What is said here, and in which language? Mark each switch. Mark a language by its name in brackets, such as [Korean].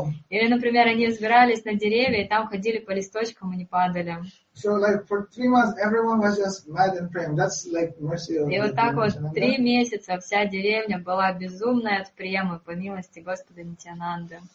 [Russian] Или, например, они взбирались на деревья и там ходили по листочкам и не падали. [English] So like for 3 months everyone was just mad and praying. That's like mercy of. [Russian] И вот так вот 3 месяца вся деревня была безумная от премы по милости Господа Нитянанды.